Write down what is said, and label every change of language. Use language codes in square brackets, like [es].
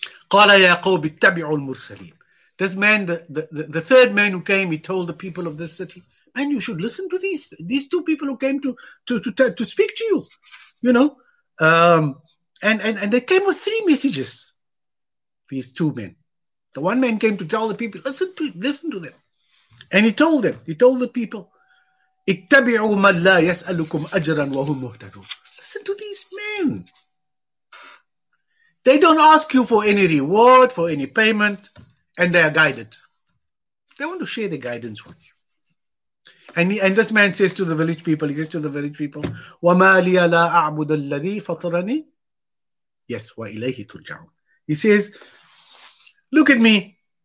[ar] قَالَ يَا قَوْبِ اتَّبِعُوا الْمُرْسَلِينَ [en] This man, the third man who came, he told the people of this city, and you should listen to these two people who came to speak to you, you know. And they came with three messages, these two men. The one man came to tell the people, listen to them. And he told the people, [ar] اتبعوا من لا يسألكم أجرا وهم مهتدون. [en] Listen to these men. They don't ask you for any reward, for any payment, and they are guided. They want to share the guidance with you. And this man says to the village people, [ar] وَمَا لِيَ لَا أَعْبُدَ الَّذِي فَطَرَنِي [en] Yes, [ar] وَإِلَيْهِ تُرْجَعُونَ [en] He says, look at me.